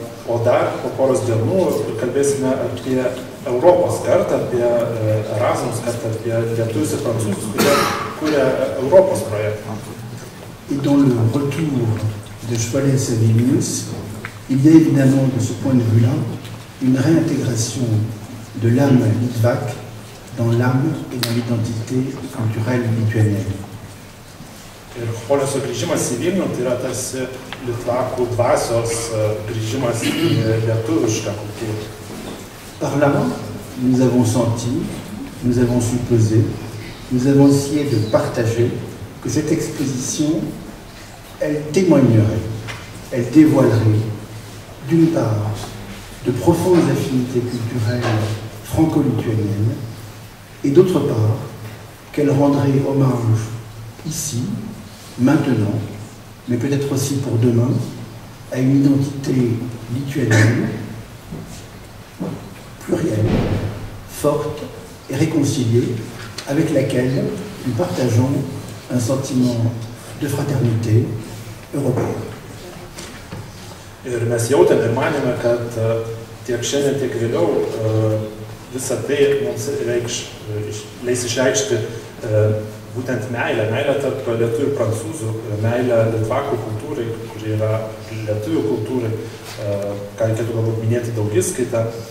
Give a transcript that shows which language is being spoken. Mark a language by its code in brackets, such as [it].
[lt] O dar po poros dienų kalbėsime apie Europos kartą, apie Erasmus kartą, apie lietuvius ir prancūzus, kurie kūrė Europos projektą. [fr] Et dans le retour de Chevalier à Vilnius, il y a évidemment de ce point de vue-là une réintégration de l'âme litvak dans l'âme et dans l'identité culturelle lituanienne. [lt] Ir Choleso grįžimas į Vilnių, tai yra tarsi litvakų dvasios grįžimas į lietuvišką kultūrą. [fr] Par là, nous avons senti, nous avons supposé, nous avons essayé de partager que cette exposition, elle témoignerait, elle dévoilerait, d'une part, de profondes affinités culturelles franco-lituaniennes et d'autre part, qu'elle rendrait hommage ici, maintenant, mais peut-être aussi pour demain, à une identité lituanienne, plurielle, forte et réconciliée, avec laquelle nous partageons un sentiment de fraternité européenne. [lt] Ir mes jautėme ir manėme, kad tiek šiandien, tiek vėliau visą tai mums leis išreikšti būtent meilę, meilę tarp lietuvių ir prancūzų, meilę litvakų kultūrai, kuri yra lietuvių kultūrai, ką reikėtų galbūt minėti daugiskaitą.